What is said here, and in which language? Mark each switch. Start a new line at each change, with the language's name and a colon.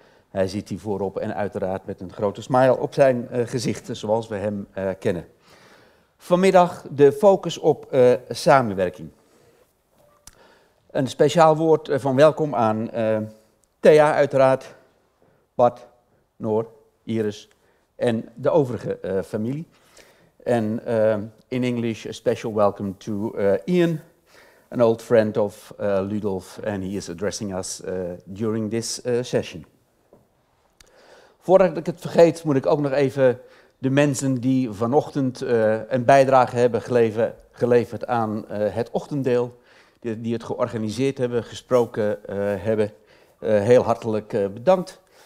Dutch: Hij zit hier voorop en uiteraard met een grote smile op zijn gezicht, zoals we hem kennen. Vanmiddag de focus op samenwerking. Een speciaal woord van welkom aan Thea uiteraard, Bart, Noor, Iris en de overige familie.
English: En in English, a special welcome to Ian, an old friend of Ludolf, and he is addressing us during this session.
Dutch: Voordat ik het vergeet, moet ik ook nog even de mensen die vanochtend een bijdrage hebben geleverd aan het ochtenddeel, die het georganiseerd hebben, gesproken hebben, heel hartelijk bedankt.